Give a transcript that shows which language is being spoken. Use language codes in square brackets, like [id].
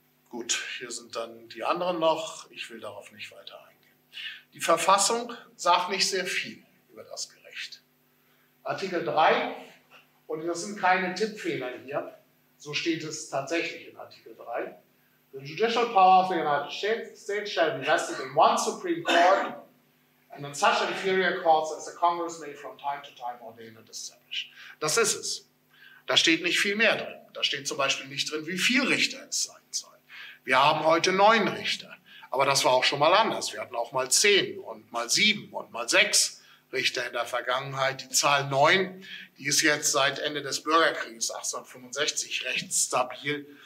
[de] Gut, hier sind dann die anderen noch. Ich will darauf nicht weiter eingehen. Die Verfassung sagt nicht sehr viel über das Gericht. Artikel 3, und das sind keine Tippfehler hier, so steht es tatsächlich in Artikel 3. [en] The judicial power of the United States shall be vested in one Supreme Court and in such inferior courts as the Congress may from time to time ordain and establish. [de] Das ist es. Da steht nicht viel mehr drin. Da steht zum Beispiel nicht drin, wie viel Richter es sein sollen. Wir haben heute 9 Richter, aber das war auch schon mal anders. Wir hatten auch mal 10 und mal 7 und mal 6 Richter in der Vergangenheit. Die Zahl 9, die ist jetzt seit Ende des Bürgerkrieges 1865 recht stabil.